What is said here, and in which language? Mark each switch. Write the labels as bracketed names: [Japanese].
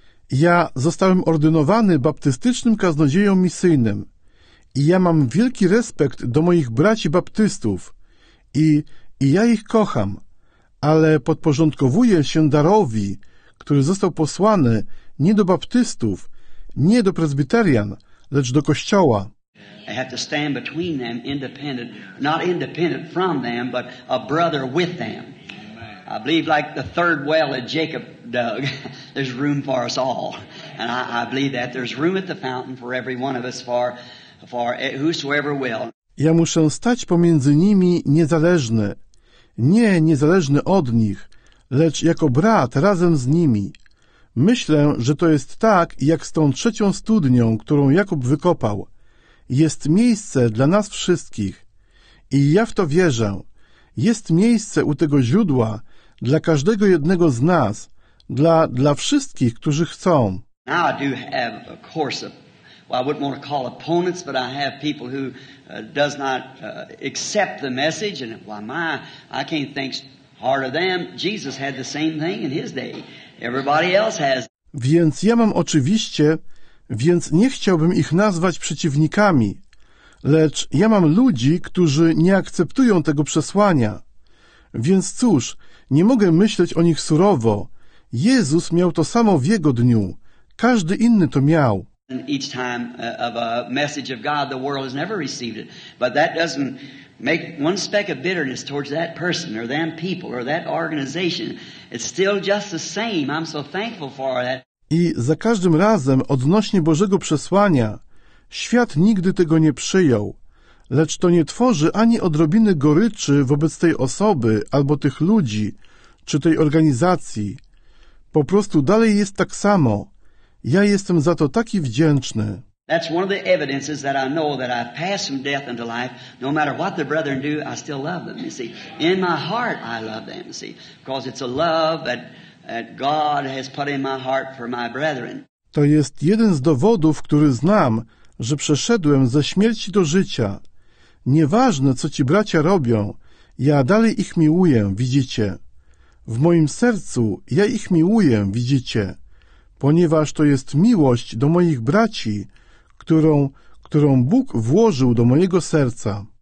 [Polish] Ja zostałem ordynowany baptystycznym kaznodzieją misyjnym i ja mam wielki respekt do moich braci baptystów i ja ich kocham, ale podporządkowuję się darowi, który został posłany nie do baptystów, nie do prezbiterian, lecz do kościoła. [English] I have to stand between them independent, not independent from them, but a brother with them. I believe like the third well that Jacob dug, there's room for us all. And I believe that there's room at the fountain for every one of us for whosoever will. [Polish] Ja muszę stać pomiędzy nimi niezależny. Nie niezależny od nich, lecz jako brat razem z nimi. Myślę, że to jest tak, jak z tą trzecią studnią, którą Jakub wykopał. Jest miejsce dla nas wszystkich. I ja w to wierzę. Jest miejsce u tego źródła dla każdego jednego z nas, dla wszystkich, którzy chcą. [English] Now I do have a course of, well, I wouldn't want to call opponents, but I have people who does not accept the message, and why my, I can't think hard of them. Jesus had the same thing in his day. Everybody else has. [Polish] Więc ja mam oczywiście, więc nie chciałbym ich nazwać przeciwnikami, lecz ja mam ludzi, którzy nie akceptują tego przesłania. Więc cóż, nie mogę myśleć o nich surowo. Jezus miał to samo w jego dniu. Każdy inny to miał. [English] Each time of a message of God, the world has never received it. But that doesn't make one speck of bitterness towards that person or them people or that organization. It's still just the same. I'm so thankful for that. [Polish] I za każdym razem odnośnie Bożego przesłania, świat nigdy tego nie przyjął. Lecz to nie tworzy ani odrobiny goryczy wobec tej osoby, albo tych ludzi, czy tej organizacji. Po prostu dalej jest tak samo. Ja jestem za to taki wdzięczny. [English] That's one of the evidences that I know that I've passed from death into life. No matter what the brethren do, I still love them. You see, in my heart I love them, you see, because it's a love that God has put in my heart for my brethren. [Polish] To jest jeden z dowodów, który znam, że przeszedłem ze śmierci do życia. Nieważne, co ci bracia robią, ja dalej ich miłuję, widzicie. W moim sercu ja ich miłuję, widzicie. Ponieważ to jest miłość do moich braci, którą Bóg włożył do mojego serca.